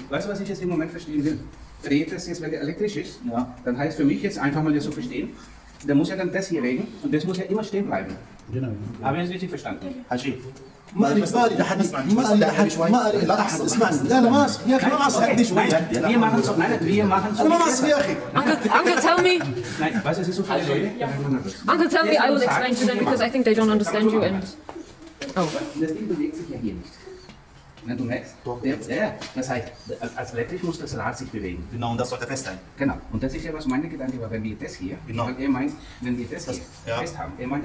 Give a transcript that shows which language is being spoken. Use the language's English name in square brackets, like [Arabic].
[German] Weißt du, was ich jetzt im Moment verstehen will? Dreht das jetzt, weil der elektrisch ist? Ja. Dann heißt für mich jetzt einfach mal das so verstehen, der muss ja dann das hier regeln und das muss ja immer stehen bleiben. Genau. Habe ich das richtig verstanden? Hajj. [English] Uncle, tell me, I will explain to them because I think they don't understand you. And oh, [German] das Ding bewegt sich ja hier nicht. Na, du merkst, das heißt, als elektrisch muss das Rad sich bewegen. Genau, und das sollte fest sein. Genau, und das ist ja, was meine Gedanke war, wenn wir das hier, genau. Er meint, wenn wir das hier fest haben, er meint,